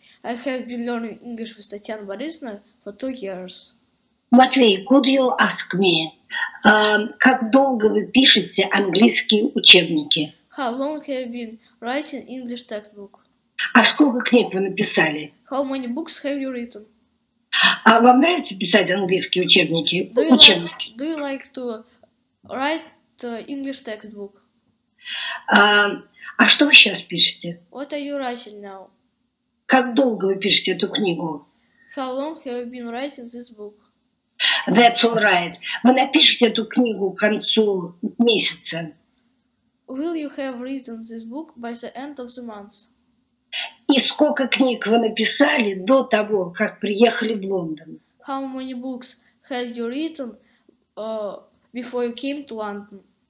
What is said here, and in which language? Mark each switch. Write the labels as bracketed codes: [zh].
[en] I have been learning English with Tatiana Borisovna for 2 years. [ru] Matvey, [en] could you ask me, [ru] как долго вы пишете английские учебники? [en] How long have you been writing English textbook? [ru] А сколько книг вы написали? [en] How many books have you written? [ru] А вам нравится писать английские учебники? [en] Do you like to write English textbook? [ru] А что вы сейчас пишете? [en] What are you writing now? [ru] Как долго вы пишете эту книгу? [en] How long have you been writing this book? That's all right. [ru] Вы напишете эту книгу к концу месяца? [en] Will you have written this book by the end of the month? [ru] И сколько книг вы написали до того, как приехали в Лондон? [en] How many books had you written before you came to London?